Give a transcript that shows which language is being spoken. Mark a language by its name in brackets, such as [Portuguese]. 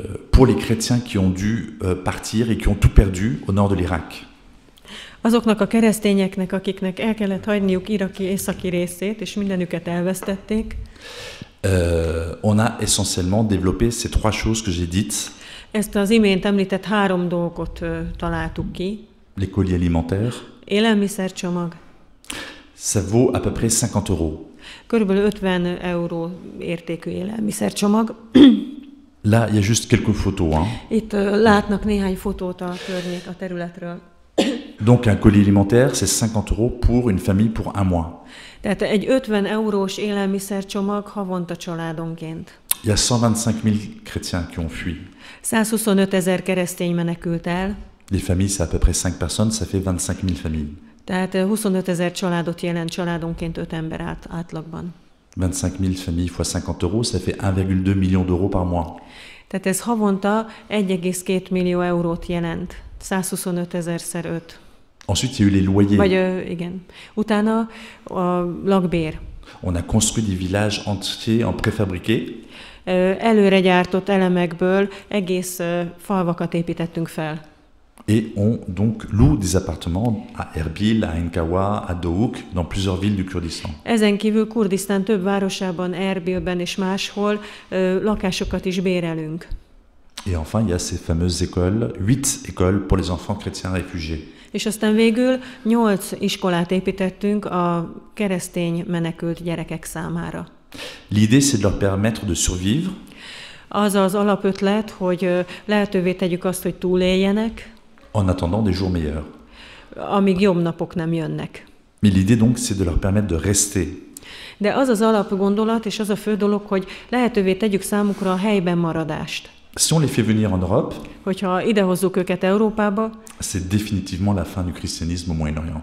[French] Pour les chrétiens qui ont dû partir et qui ont tout perdu au nord de l'Irak. [Hungarian] Azoknak a keresztényeknek, akiknek el kellett hagyniuk iraki északi részét, és mindenüket elvesztették. [French] On a essentiellement développé ces trois choses que j'ai dites. [Hungarian] Ezt az imént említett három dolgot találtuk ki. [French] Les colis alimentaires. [Hungarian] Élelmiszercsomag. [French] Ça vaut à peu près 50 euros. [Hungarian] Körülbelül 50 euró értékű élelmiszercsomag. [French] Là, il y a juste quelques photos, hein. [Hungarian] Itt látnak néhány fotót a környék, a területről. [French] Donc un colis alimentaire, c'est 50 euros pour une famille pour un mois. [Hungarian] Tehát egy 50 eurós élelmiszercsomag havonta családonként. [French] Il y a 125 000 chrétiens qui ont fui. [Hungarian] 125 ezer keresztény menekült el. [French] Les familles, c'est à peu près 5 personnes, ça fait 25 000 familles. [Hungarian] Tehát 25 ezer családot jelent családonként 5 ember átlagban. [French] 25 000 familles fois 50 euros, ça fait 1,2 million d'euros par mois. [Hungarian] Tehát ez havonta 1,2 millió eurót jelent. 125 ezerszer 5. [French] Ensuite, il y a eu les loyers. [Hungarian] Vagy igen. Utána a lakbér. [French] On a construit des villages entiers en préfabriqué. [Hungarian] Előre gyártott elemekből egész falvakat építettünk fel. [French] Et on donc loue des appartements à Erbil, à Inkawa, à Douk, dans plusieurs villes du Kurdistan. [Hungarian] Ezen kívül Kurdisztán több városában, Erbilben és máshol lakásokat is bérelünk. [French] Et enfin, il y a ces fameuses écoles, 8 écoles pour les enfants chrétiens réfugiés. [Hungarian] És aztán végül 8 iskolát építettünk a keresztény menekült gyerekek számára. [French] L'idée, c'est de leur permettre de survivre. [Hungarian] Az az alapötlet, hogy lehetővé tegyük azt, hogy túléljenek. [French] En attendant des jours meilleurs. [Hungarian] Amíg jobb napok nem jönnek. [French] Mais l'idée donc, c'est de leur permettre de rester. [Hungarian] De az az alapgondolat és az a fő dolog, hogy lehetővé tegyük számukra a helyben maradást. [French] Si on les fait venir en Europe, [Hungarian] hogyha idehozzuk őket Európába, [French] c'est définitivement la fin du christianisme au Moyen-Orient.